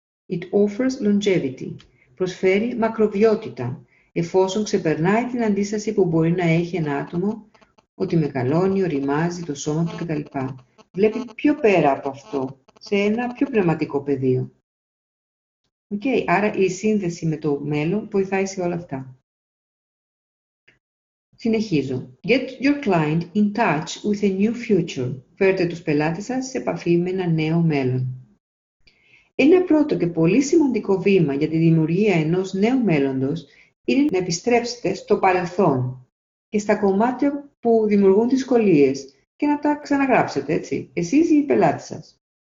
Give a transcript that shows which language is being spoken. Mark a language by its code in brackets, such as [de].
[en] It offers longevity. [el] Προσφέρει μακροβιότητα, εφόσον ξεπερνάει την αντίσταση που μπορεί να έχει ένα άτομο ότι μεγαλώνει, οριμάζει το σώμα του κτλ. Βλέπει πιο πέρα από αυτό, σε ένα πιο πνευματικό πεδίο. Okay, άρα η σύνδεση με το μέλλον βοηθάει σε όλα αυτά. Συνεχίζω. [en] Get your client in touch with a new future. [el] Φέρετε τους πελάτες σας σε επαφή με ένα νέο μέλλον. Ένα πρώτο και πολύ σημαντικό βήμα για τη δημιουργία ενός νέου μέλλοντος είναι να επιστρέψετε στο παρελθόν και στα κομμάτια που δημιουργούν δυσκολίες και να τα ξαναγράψετε, έτσι, εσείς ή οι πελάτες σας.